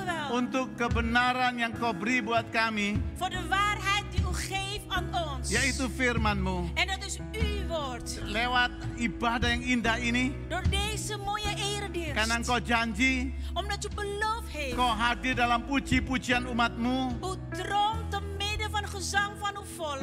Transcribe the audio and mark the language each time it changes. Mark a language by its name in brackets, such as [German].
[Indonesian] Untuk kebenaran yang kau beri buat kami. [English] For the [Dutch] waarheid die u geeft aan ons. [Indonesian] Yaitu firmanmu. [Dutch] En dat is uw woord. [Indonesian] Lewat ibadah yang indah ini. [Dutch] Door deze mooie eredienst. [Indonesian] Karena engkau janji. [Dutch] Omdat u beloofd heeft. [Indonesian] Kau hadir dalam puji-pujian umatmu. [Dutch] U droomt te midden van gezang van uw volk.